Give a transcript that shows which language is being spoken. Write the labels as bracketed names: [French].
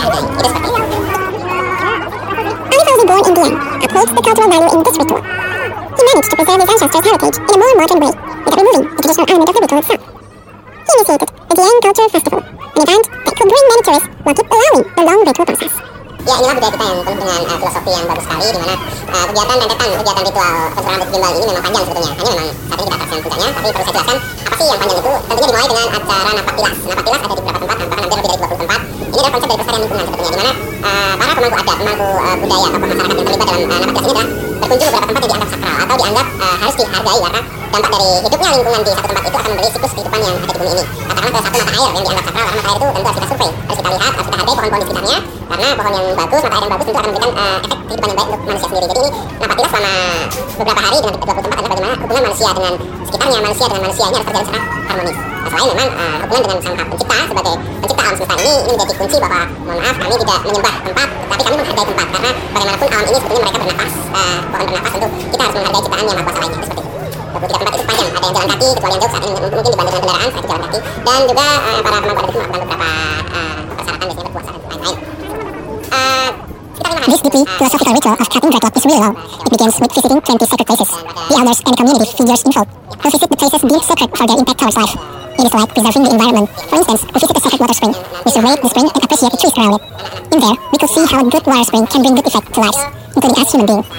[English] Fauzi, born in Dieng, upholds the cultural value in this ritual. He managed to preserve his ancestors' heritage in a more modern way without removing the traditional element of the ritual itself. He initiated the Dieng Culture Festival, an event that could bring many tourists while keep allowing the long ritual process. [Indonesian] Ya, inilah budaya kita yang penuh dengan filosofi yang bagus sekali, di mana kegiatan ritual pencerahan Bukit Gimbal ini memang panjang sebetulnya. Hanya memang saat ini kita atas yang puncaknya, tapi perlu saya jelaskan apa sih yang panjang itu. Tentunya dimulai dengan acara Napak Tilas. Napak Tilas ada di beberapa tempat, bahkan ada lebih dari 20 tempat. Ini adalah konsep dari pesan yang lingkungan sebetulnya, di mana para pemangku adat, pemangku budaya atau masyarakat yang terlibat dalam Napak Tilas ini adalah berkunjung beberapa tempat yang dianggap sakral atau dianggap harus dihargai, karena dampak dari hidupnya lingkungan di satu tempat itu akan memberi siklus kehidupan yang ada di bumi ini. Karena salah satu mata air yang dianggap sakral, mata air itu tentu harus kita survei, harus kita lihat, harus kita hargai pohon-pohon di sekitarnya. Karena pohon yang bagus, mata air yang bagus tentu akan memberikan efek kehidupan yang baik untuk manusia sendiri. Jadi ini Napak Tilas selama beberapa hari dengan 20 tempat adalah bagaimana hubungan manusia dengan sekitarnya, manusia dengan manusia ini harus terjalin secara harmonis. Selain memang hubungan dengan sang pencipta sebagai pencipta alam semesta ini menjadi kunci bahwa mohon maaf kami tidak menyembah tempat, tapi kami menghargai tempat, karena bagaimanapun alam ini sebetulnya mereka bernapas, pohon bernapas, tentu kita harus menghargai ciptaan yang maha kuasa lainnya. Seperti 23 tempat itu panjang, ada yang jalan kaki kecuali yang jauh saat ini mungkin dibantu dengan kendaraan, saat itu jalan kaki, dan juga para pemangku adat itu melakukan beberapa persyaratan biasanya berpuasa dan lain-lain. [English] This deeply philosophical ritual of cutting dreadlock is really long. It begins with visiting 20 sacred places. The elders and the community figures in folk who visit the places deemed sacred for their impact towards life. It is like preserving the environment. For instance, we visit a sacred water spring. We survey the spring and appreciate the trees around it. In there, we could see how a good water spring can bring good effect to lives, including us human beings.